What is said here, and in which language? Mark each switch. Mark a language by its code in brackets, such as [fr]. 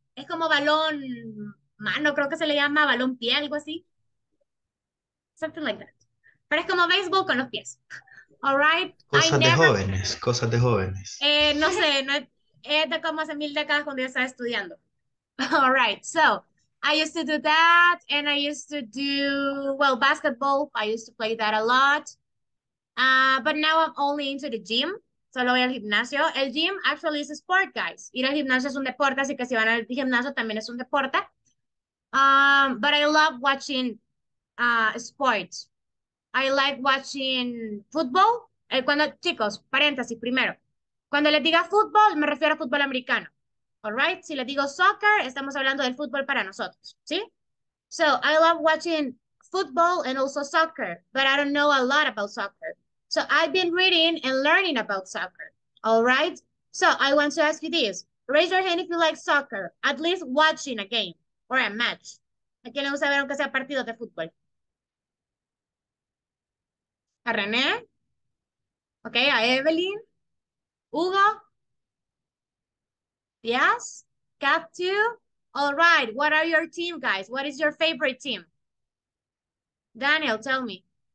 [es] Es como balón mano, creo que se le llama balón pie, algo así. [en] Something like that. [es] Pero es como béisbol con los pies. [en] All right, I [es] Cosas de [en] never. [es] jóvenes, cosas de jóvenes. No sé, no es, es de como hace 1000 décadas cuando yo estaba estudiando. [en] All right, so I used to do that and I used to do, well, basketball. I used to play that a lot. But now I'm only into the gym. [es] Solo voy al gimnasio. [en] El gym actually is a sport, guys. [es] Ir al gimnasio es un deporte, así que si van al gimnasio también es un deporte. [en] But I love watching sports. I like watching football. [es] Cuando, chicos, paréntesis primero. Cuando les diga fútbol, me refiero a fútbol americano. [en] All right? [es] Si les digo soccer, estamos hablando del fútbol para nosotros, ¿sí? [en] So, I love watching football and also soccer, but I don't know a lot about soccer. So, I've been reading and learning about soccer. All right? So, I want to ask you this. Raise your hand if you like soccer, at least watching a game or a match. [es] ¿A quién le gusta ver aunque sea partido de fútbol? [en] ¿A René? Ok, ¿a Evelyn? Hugo, yes, got two. All right, what are your team, guys? What is your favorite team? Daniel, tell me.